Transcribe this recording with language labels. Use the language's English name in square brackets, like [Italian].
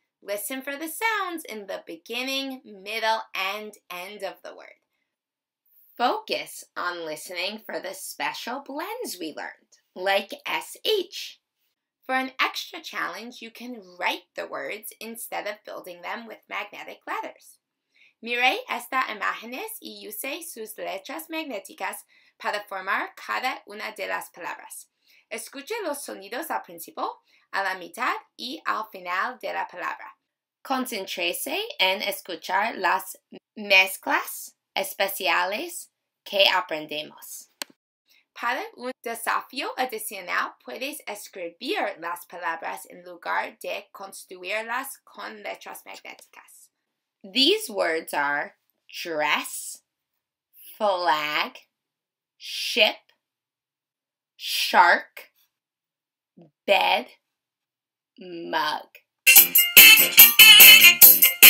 [English] Listen for the sounds in the beginning, middle, and end of the word. Focus on listening for the special blends we learned, like SH. For an extra challenge, you can write the words instead of building them with magnetic letters. [Spanish] Mire estas imágenes y use sus letras magnéticas para formar cada una de las palabras. Escuche los sonidos al principio, a la mitad y al final de la palabra. Concéntrese en escuchar las mezclas especiales que aprendemos. Para un desafío adicional, puedes escribir las palabras en lugar de construirlas con letras magnéticas. [English] These words are dress, flag, ship, shark, bed, mug.